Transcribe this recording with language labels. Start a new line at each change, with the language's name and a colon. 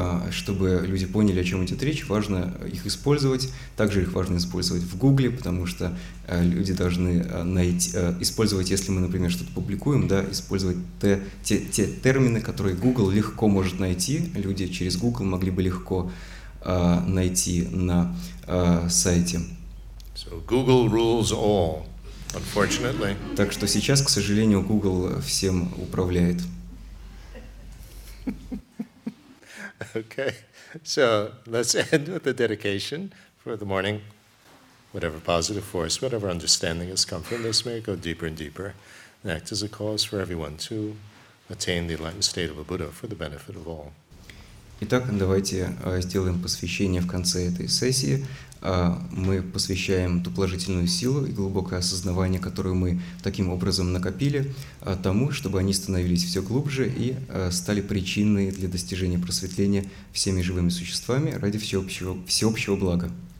Russian: чтобы люди поняли, о чем идет речь, важно их использовать, также их важно использовать в Гугле, потому что люди должны найти, использовать, если мы, например, что-то публикуем, да, использовать те термины, которые Google легко может найти, люди через Google могли бы легко найти на сайте.
English: So Google rules all, unfortunately.
Russian: Так что сейчас, к сожалению, Google всем управляет.
English: Okay, so let's end with the dedication for the morning. Whatever positive force, whatever understanding has come from this, may it go deeper and deeper and act as a cause for everyone to attain the enlightened state of a Buddha for the benefit of all.
Russian: Итак, давайте сделаем посвящение в конце этой сессии. Мы посвящаем ту положительную силу и глубокое осознавание, которое мы таким образом накопили, тому, чтобы они становились все глубже и стали причиной для достижения просветления всеми живыми существами ради всеобщего блага.